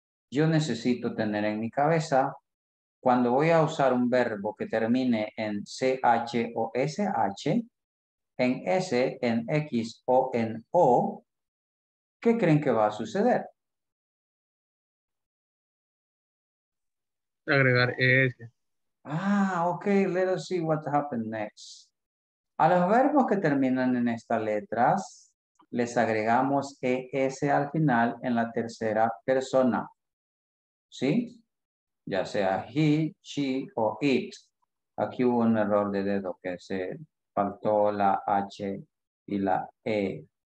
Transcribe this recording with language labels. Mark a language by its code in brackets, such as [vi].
[es] Yo necesito tener en mi cabeza, cuando voy a usar un verbo que termine en CH o SH, en S, en X o en O, ¿qué creen que va a suceder? Agregar ES. [en] Ah, ok, let us see what happened next. [es] A los verbos que terminan en estas letras, les agregamos ES al final en la tercera persona. ¿Sí? Ya sea he, she o it. Aquí hubo un error de dedo que se faltó la H y la E.